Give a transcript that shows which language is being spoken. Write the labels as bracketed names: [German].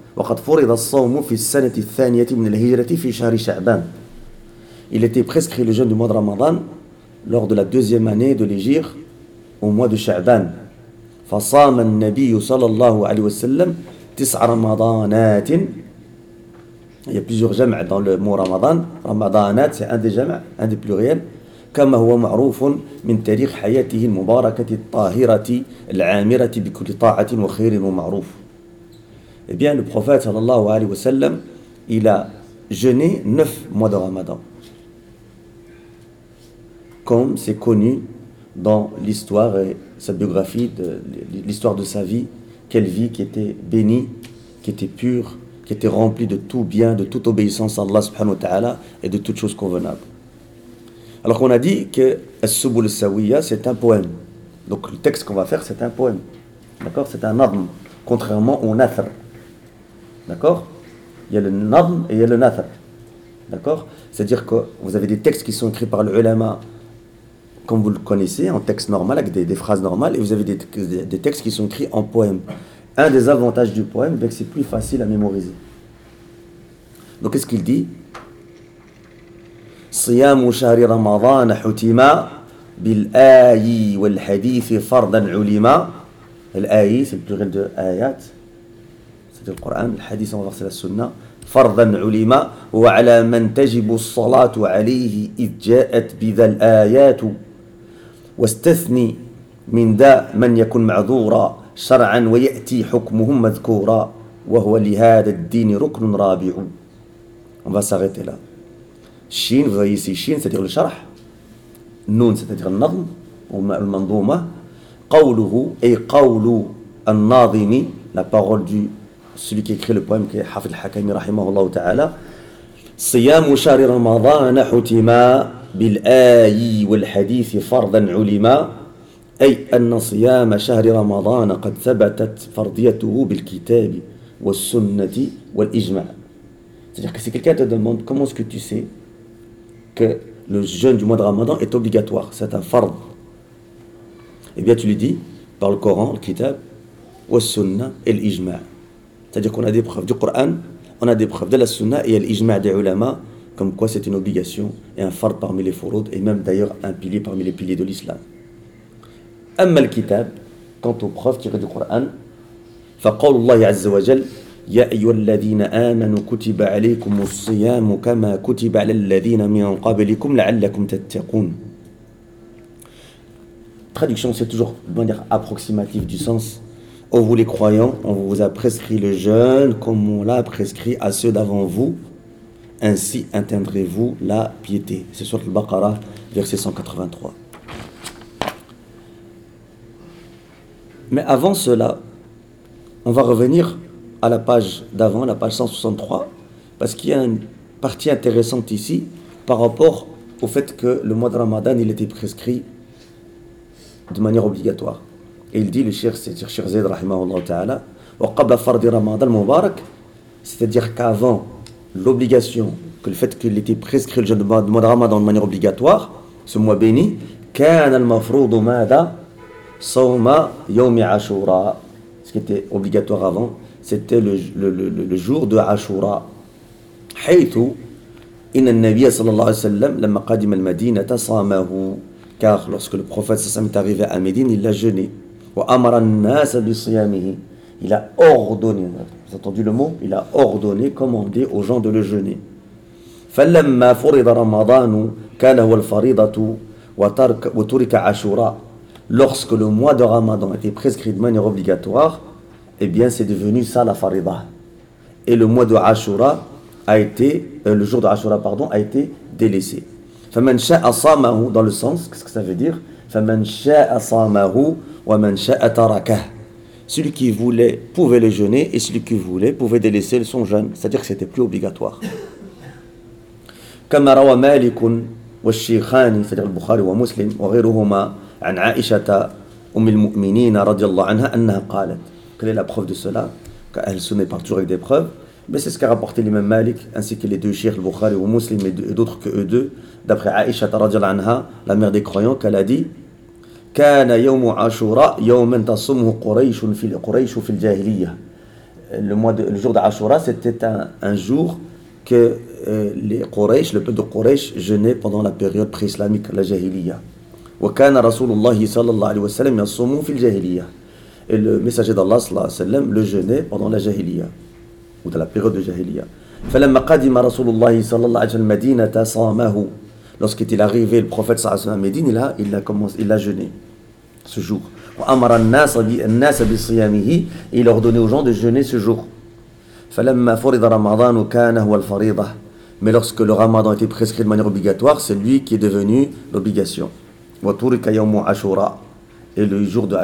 [Arabic] وَقَدْ فُرِدَ الصَّوْمُ فِي السَّنَةِ الثَّانِيَةِ مِنَ الْهِجْرَةِ فِي شَهْرِ شَعْبَانِ [French] Il a été prescrit le jeûne du mois de Ramadan lors de la deuxième année de l'Hijre au mois de Sha'ban. [Arabic] فَصَامَ النَّبِيُّ صَلَى اللَّهُ عَلَيْهِ وَسَلَّمْ تِسْعَ رَمَضَانَاتٍ [French] Il y a plusieurs jama' dans le mot Ramadan. Ramadanat, c'est un des jama', un des pluriels. Comme [Arabic] هو معروف من تاريخ حياته المباركة الطاهرة العامرة بكل طاعة وخير ومعروف. [French] Eh bien, le prophète sallallahu alayhi wa sallam, il a jeûné 9 mois de Ramadan. Comme c'est connu dans l'histoire et sa biographie, l'histoire de sa vie, quelle vie qui était bénie, qui était pure, qui était rempli de tout bien, de toute obéissance à Allah subhanahu wa ta'ala et de toute chose convenable. Alors qu'on a dit que As-Subul Sawiya, c'est un poème. Donc le texte qu'on va faire, c'est un poème. D'accord? C'est un nadm, contrairement au nathr. D'accord? Il y a le nadm et il y a le nathr. D'accord? C'est-à-dire que vous avez des textes qui sont écrits par l'ulama, comme vous le connaissez, en texte normal, avec des phrases normales, et vous avez des textes qui sont écrits en poème. Un des avantages du poème, c'est que c'est plus facile à mémoriser. Donc, qu'est-ce qu'il dit ? [Arabic] صيام شهر رمضان حتما بالآي والحديث فرضا علما. [French] الآي, c'est le pluriel de ayat, c'est le Coran, le hadith, on va voir, c'est la sunna. [Arabic] فرضا علما وعلى من تجب الصلاة عليه إذ جاءت بذا الآيات واستثني من ذا من يكون معذورا شرعا ويأتي حكمهم مذكورا وهو لهذا الدين ركن رابع. [French] On va s'arrêter là. Shin, vous voyez ici shin, c'est-à-dire le sharh. Nun, c'est-à-dire le nadm, ou le mandouma. Qawluhu, et qawlu al-nadimi, la parole du celui qui écrit le poème, qui est Hafid al-Hakami, rahimahullah ta'ala. [Arabic] Siyamu shari ramadana hutima bil-ayi wal-hadithi fardan ulima. أي أن صيام شهر رمضان قد ثبتت فرضيته بالكتاب والسنة والإجماع. [French] C'est-à-dire que si quelqu'un te demande comment est-ce que tu sais que le jeûne du mois de Ramadan est obligatoire, c'est un fard, eh bien tu lui dis par le Coran, le Kitab, والسنة et الإجماع. C'est-à-dire qu'on a des preuves du Coran, on a des preuves de la Sunna et l'Ijma des ulama comme quoi c'est une obligation et un fard parmi les furud et même d'ailleurs un pilier parmi les piliers de l'islam. [Arabic] Amma al-kitab, [French] quant aux preuves tirées du Coran, [Arabic] فقال الله عز وجل يا أيها الذين آمنوا كتب عليكم الصيام كما كتب على الذين من قبلكم لعلكم تتقون. [French] Traduction, c'est toujours de manière approximative du sens. Ô vous les croyants, on vous a prescrit le jeûne comme on l'a prescrit à ceux d'avant vous. Ainsi atteindrez-vous la piété. C'est sur le Baqarah, verset 183. Mais avant cela, on va revenir à la page d'avant, la page 163, parce qu'il y a une partie intéressante ici par rapport au fait que le mois de Ramadan, il était prescrit de manière obligatoire. Et il dit, le cheikh Zayd, rahimahullah ta'ala, « [Arabic] Wa qabla fardi Ramadan Mubarak [French] », c'est-à-dire qu'avant l'obligation, que le fait qu'il était prescrit le mois de Ramadan de manière obligatoire, ce mois béni, « [Arabic] Kana al-mafroudu mada sawma yawmi ashura [French] » ce qui était obligatoire avant, c'était le jour de Ashura. [Arabic] حيث إن النبي صلى الله عليه وسلم لما قدم المدينة صامه, [French] car lorsque le prophète صلى الله عليه وسلم est arrivé à Médine, il a jeûné. [Arabic] وأمر الناس بصيامه, [French] il a ordonné, vous avez entendu le mot, il a ordonné, commandé aux gens de le jeûner. [Arabic] فلما فرض رمضان كان هو الفريضة وترك وترك عشورا. [French] Lorsque le mois de Ramadan était prescrit de manière obligatoire, eh bien, c'est devenu ça la farida. Et le mois de Ashura a été, le jour de Ashura, pardon, a été délaissé. [Arabic] فَمَنْ شَاءَ صَامَهُ, [French] dans le sens, qu'est-ce que ça veut dire ? [Arabic] فَمَنْ شَاءَ صَامَهُ وَمَنْ شَاءَ تَرَكَهُ. [French] Celui qui voulait pouvait le jeûner et celui qui voulait pouvait délaisser son jeûne. C'est-à-dire que ce n'était plus obligatoire. [Arabic] كَمَا رَوَى مَالِكٌ وَالشِّيْخَانِ, [French] c'est-à-dire le Bukhari ou Muslim, [Arabic] وَغَيْرُهُمَا عن عائشة أم المؤمنين رضي الله عنها أنها قالت. [French] Quelle est la preuve de cela? Qu'elle se met toujours avec des preuves. Mais c'est ce qu'a rapporté l'imam Malik ainsi que les deux chiens, le Bukhari ou Muslim et d'autres que eux deux. D'après [Arabic] عائشة رضي الله عنها, [French] la mère des croyants, qu'elle a dit: [Arabic] كان يوم عاشوراء يوما تصومه قريش في القريش في الجاهلية. [French] Le jour de Ashura, c'était un jour que les Quraysh, le peuple de Quraysh, jeûnait pendant la période pré-islamique, la Jahiliya. [Arabic] وكان رسول الله صلى الله عليه وسلم يصوم في الجاهلية. [French] Et le messager d'Allah صلى الله عليه وسلم le jeûnait pendant la jahiliya ou dans la période de jahiliya. [Arabic] فلما قدم رسول الله صلى الله عليه وسلم المدينة صامه. [French] Lorsqu'il est arrivé, le prophète صلى الله عليه وسلم à Médine, il a jeûné ce jour. [Arabic] وأمر الناس بصيامه, [French] il a ordonné aux gens de jeûner ce jour. [Arabic] فلما فرض رمضان كان هو الفريضة. [French] Mais lorsque le Ramadan était prescrit de manière obligatoire, c'est lui qui est devenu l'obligation. Et le jour de